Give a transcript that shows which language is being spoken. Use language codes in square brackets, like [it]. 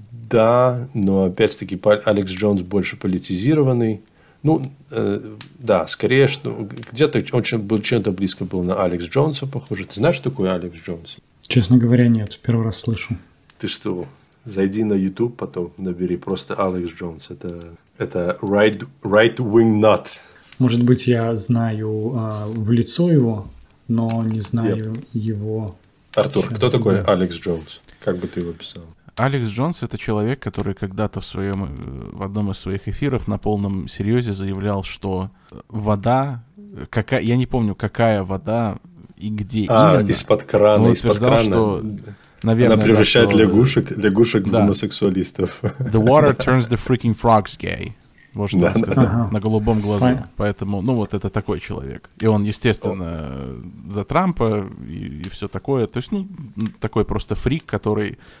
[ru] Да, но опять-таки Алекс Джонс больше политизированный. Ну, да, скорее, что где-то очень чем-то близко был на Алекс Джонса, похоже. Ты знаешь, что такое Алекс Джонс? Честно говоря, нет, первый раз слышу. Ты что, зайди на YouTube, потом набери просто Алекс Джонс. Это [en] right-wing nut. [ru] Может быть, я знаю в лицо его, но не знаю его... Артур, кто такой Алекс Джонс? Как бы ты его описал? Алекс Джонс — это человек, который когда-то в одном из своих эфиров на полном серьезе заявлял, что вода... я не помню, какая вода и где именно. Из-под крана. Он утверждал, что... Наверное, она превращает лягушек в гомосексуалистов. [en] The water turns the freaking frogs gay. [ru] Вот что он сказал. На голубом глазу. Поэтому, ну вот это такой человек. И он, естественно, за Трампа и все такое. То есть, ну, такой просто фрик, который...